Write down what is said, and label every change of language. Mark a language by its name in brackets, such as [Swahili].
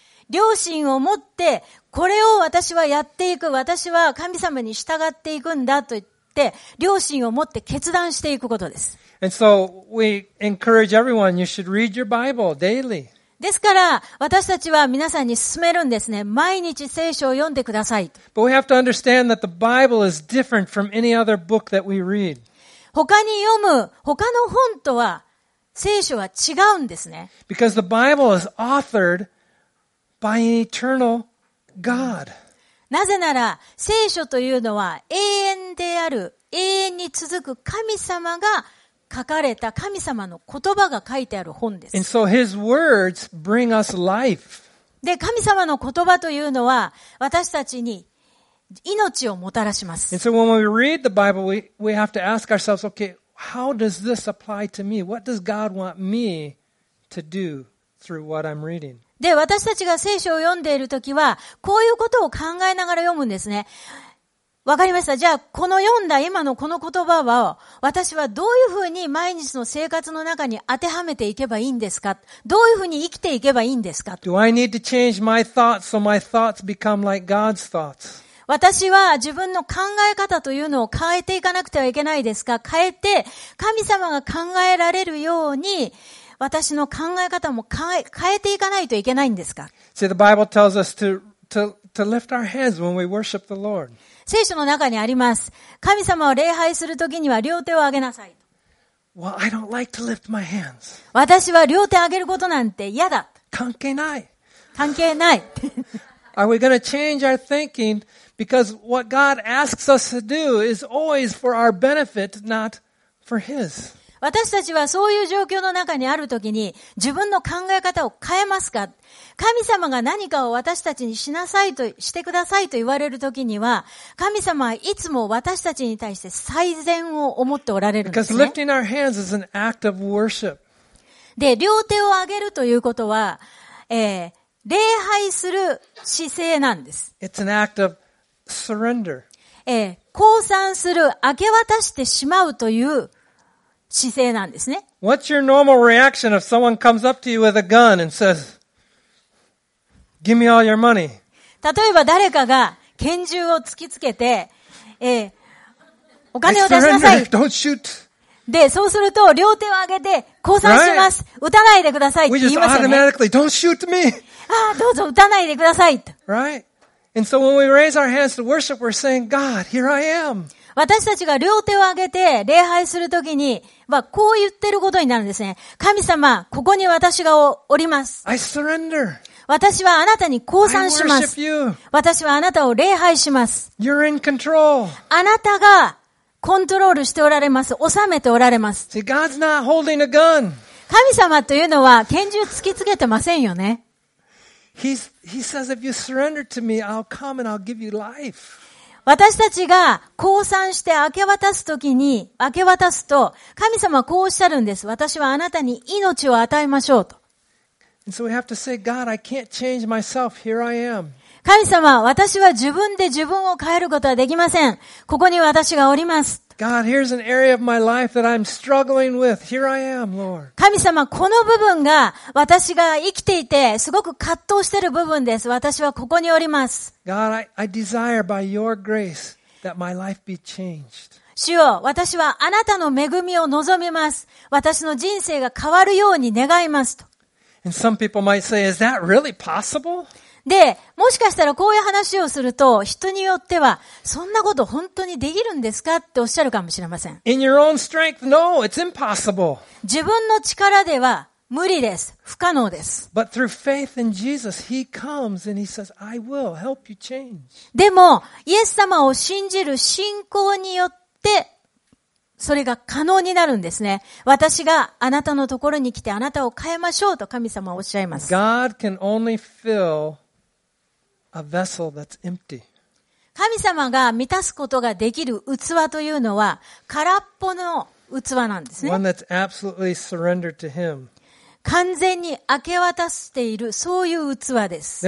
[Japanese] 良心を持ってこれを私はやっていく。私は神様に従っていくんだと言って良心を持って決断していくことです。 [English] And so we encourage everyone. You should read your Bible daily. [Japanese] ですから私たちは皆さんに勧めるんですね。毎日聖書を読んでください。 [English] But we have to understand that the Bible is different from any other book that we read. [Japanese] 他に読む他の本とは。聖書は違うんですね。 [English] Because the Bible is authored by an eternal God. [Japanese] なぜなら、聖書というのは永遠である、永遠に続く神様が書かれた、神様の言葉が書いてある本です。 [English] And so his words bring us life. [Japanese] で、神様の言葉というのは私たちに命をもたらします。 [English] And so when we read the Bible, we have to ask ourselves, okay,How does this apply to me? What does God want me to do through what I'm reading? [Japanese] で、私たちが聖書を読んでいるときは、こういうことを考えながら読むんですね。わかりました。じゃあ、この読んだ今のこの言葉は、私はどういうふうに毎日の生活の中に当てはめていけばいいんですか？どういうふうに生きていけばいいんですか？ [English] Do I need to change my thoughts so my thoughts become like God's thoughts? [Japanese] 私は自分の考え方というのを変えていかなくてはいけないですか。変えて神様が考えられるように私の考え方も変えていかないといけないんですか。 [English] See, the Bible tells us to lift our hands when we worship the Lord. [Japanese] 聖書の中にあります。神様を礼拝するときには両手を上げなさい。 [English] Well, I don't like to lift my hands. [Japanese] 私は両手を上げることなんて嫌だ。関係ない。関係ない。 [English] Are we going to change our thinking because what God asks us to do is always for our benefit, not for His? [Japanese] 私たちはそういう状況の中にあるときに自分の考え方を変えますか？神様が何かを私たちにしなさいとしてくださいと言われるときには、神様はいつも私たちに対して最善を思っておられるんですね。 [English] Because lifting our hands is an act of worship. [Japanese] で、両手を上げるということは、礼拝する姿勢なんです。 [English] It's an act of surrender. [Japanese] 降参する、明け渡してしまうという姿勢なんですね。 [English] What's your normal reaction if someone comes up to you with a gun and says, "Give me all your money"? [Japanese] 例えば誰かが拳銃を突きつけて、お金を出しなさい。 [English] Don't shoot. [Japanese] で、そうすると両手を上げて降参します。撃たないでくださいって言いますよね。 [English] We just automatically don't shoot me. [Japanese] ああ、どうぞ撃たないでくださいと。 [English] Right? And so when we raise our hands to worship, we're saying, "God, here I am." [Japanese] 私たちが両手を上げて礼拝するときにはこう言ってることになるんですね。神様、ここに私がおります。 [English] I surrender. [Japanese] 私はあなたに降参します。 [English] I worship you. [Japanese] 私はあなたを礼拝します。 [English] You're in control. [Japanese] あなたがコントロールしておられます。治めておられます。 [English] See, God's not holding a gun. [Japanese] 神様というのは拳銃突きつけてませんよね。 [English] He says, if you surrender to me, I'll come and I'll give you life. [Japanese] 私たちが降参して明け渡すときに、明け渡すと、神様はこうおっしゃるんです。私はあなたに命を与えましょうと。 [English] So we have to say, God, I can't change myself. Here I am. [Japanese] 神様、私は自分で自分を変えることはできません。ここに私がおります。 [English] God, here's an area of my life that I'm struggling with. Here I am, Lord. [Japanese] 神様、この部分が私が生きていてすごく葛藤している部分です。私はここにおります。 [English] God, I desire by your grace that my life be changed. [Japanese] 主よ、私はあなたの恵みを望みます。私の人生が変わるように願いますと。 [English] And some people might say, "Is that really possible?" [Japanese] で、もしかしたらこういう話をすると、人によってはそんなこと本当にできるんですかっておっしゃるかもしれません。 [English] In your own strength, no, it's impossible. [Japanese] 自分の力では無理です、不可能です。 [English] But through faith in Jesus, He comes and He says, "I will help you change." [Japanese] でも、イエス様を信じる信仰によって、それが可能になるんですね。私があなたのところに来てあなたを変えましょうと神様はおっしゃいます。 [English] God can only fill a vessel that's empty. [Japanese] 神様が満たすことができる器というのは空っぽの器なんですね。 [English] One that's absolutely surrendered to Him. [Japanese] 完全に明け渡しているそういう器です。